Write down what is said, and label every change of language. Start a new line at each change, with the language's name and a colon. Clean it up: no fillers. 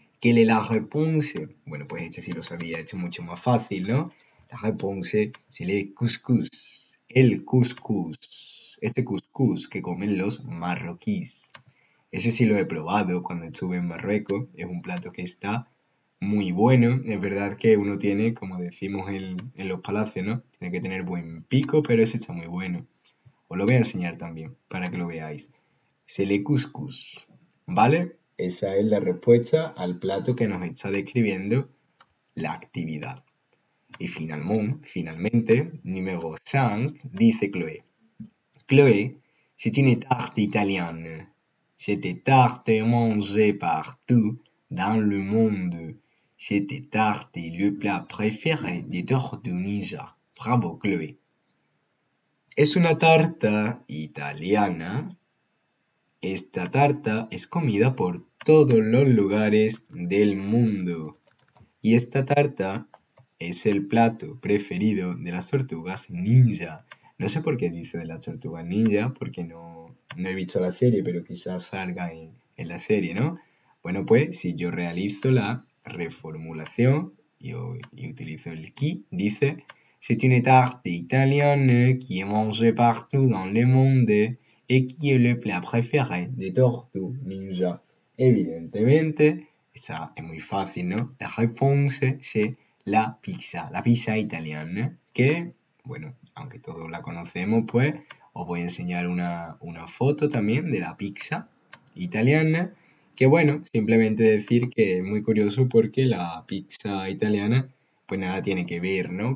French: ¿Quelle est la réponse?
Spanish: Bueno, pues este sí lo sabía, este es mucho más fácil, ¿no?
French: La réponse
Spanish: se lee couscous. El couscous. Este couscous que comen los marroquíes. Ese sí lo he probado cuando estuve en Marruecos. Es un plato que está muy bueno. Es verdad que uno tiene, como decimos en los palacios, ¿no? Tiene que tener buen pico, pero ese está muy bueno. Os lo voy a enseñar también para que lo veáis. Se lee couscous. ¿Vale? Esa es la respuesta al plato que nos está describiendo la actividad. Y finalmente, número 5, dice Chloé.
French: Chloé, c'est une tarte italienne. Cette tarte est mangée partout dans le monde. Cette tarte est le plat préféré de Tortunisia. Bravo,
Spanish: Chloé. Es una tarta italiana. Esta tarta es comida por todos los lugares del mundo. Y esta tarta es el plato preferido de las tortugas ninja. No sé por qué dice de las tortugas ninja, porque no he visto la serie, pero quizás salga en la serie, ¿no? Bueno, pues si yo realizo la reformulación y utilizo el qui, dice:
French: C'est une tarte italienne qui est mangée partout dans le monde et qui est le plat préféré de Tortue Ninja.
Spanish: Evidentemente, esa es muy fácil, ¿no?
French: La réponse
Spanish: es la pizza italiana, que, bueno, aunque todos la conocemos, pues os voy a enseñar una foto también de la pizza italiana, que bueno, simplemente decir que es muy curioso porque la pizza italiana, pues nada tiene que ver, ¿no?